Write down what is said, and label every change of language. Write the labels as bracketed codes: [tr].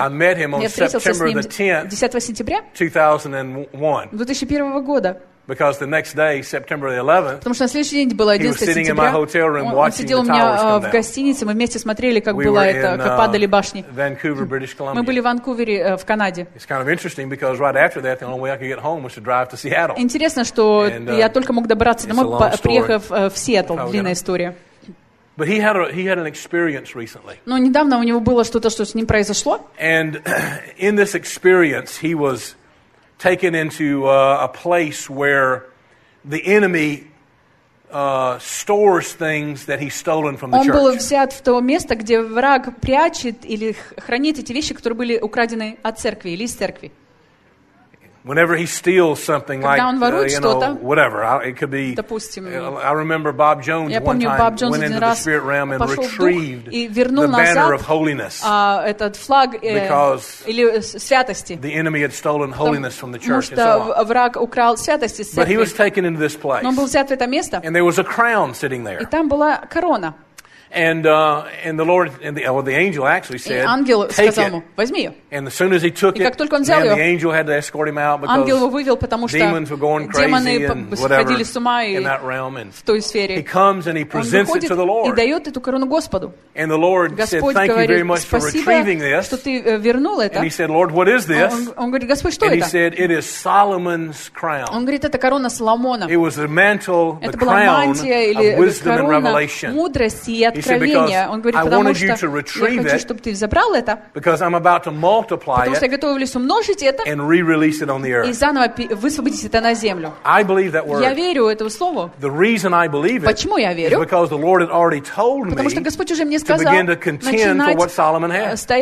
[en] I met him on September the 10th. [ru] 10 сентября [en] 2001. [ru] 2001 года. [en] Because the next day, September the 11th, [ru] потому что на следующий день было 11 сентября. [en] He was sitting in my hotel room watching the towers come down. [ru] Он сидел в гостинице, мы вместе смотрели, как было это, как падали башни. [en] Vancouver, British Columbia. [ru] Мы были в Ванкувере, в Канаде. [en] It's kind of interesting because right after that, the only way I could get home was to drive to Seattle. [ru] Интересно, что я только мог добраться домой, приехав в Сиэтл. Длинная история. [en] But he had an experience recently. [ru] Но недавно у него было что-то, что с ним произошло. [en] And in this experience, he was taken into a place where the enemy stores things that he's stolen from the church. [ru] Он был взят в то место, где враг прячет или хранит эти вещи, которые были украдены от церкви или из церкви. [en] Whenever he steals something, [ru] когда [en] like [ru] он ворует что-то, [en] whatever, it could be. [ru] Допустим, [en] I remember Bob Jones one time went into the spirit realm and retrieved the banner of holiness. [ru] Этот флаг или святости. [en] The enemy had stolen holiness from the church. [ru] Потому что враг украл святости. [en] But he was taken into this place. [ru] Он был взят в это место. [en] And there was a crown sitting there. [ru] И там была корона. [en] And the Lord and the angel actually said, "Take it." [ru] Возьми ее. [en] And as soon as he took it, man, the angel had to escort him out because demons were going crazy and whatever in that realm. And he comes and he presents it to the Lord. [ru] И дает эту корону Господу. [en] And the Lord said, "Thank you very much for retrieving this." [ru] Что ты вернул это. [en] And he said, "Lord, what is this?" [ru] Он говорит, Господь, что это? [en] And he said, "It is Solomon's crown." [ru] Он говорит, это корона Соломона. [en] It was the mantle, the crown of wisdom and revelation. [ru] Мудрости. [en] He said, because I wanted you to retrieve it, because I'm about to multiply it and re-release it on the earth. I believe that word. The reason I believe it is because the Lord had already told me to begin to contend for what Solomon had.